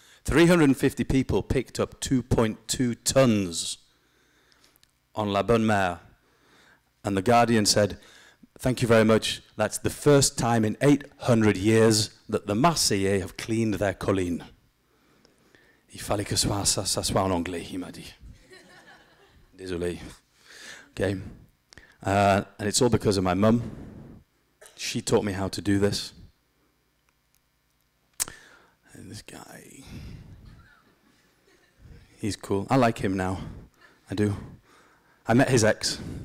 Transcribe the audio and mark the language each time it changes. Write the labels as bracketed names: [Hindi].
[English] 350 people picked up 2.2 tons. On La Bonne Mère, and the Guardian said, thank you very much, that's the first time in 800 years that the Marseillais have cleaned their colline. [French] Il fallait que ça soit en anglais, he m'a dit. Désolé. Okay. [English] And it's all because of my mum. She taught me how to do this. And this guy, he's cool. I like him now. I do. I met his ex.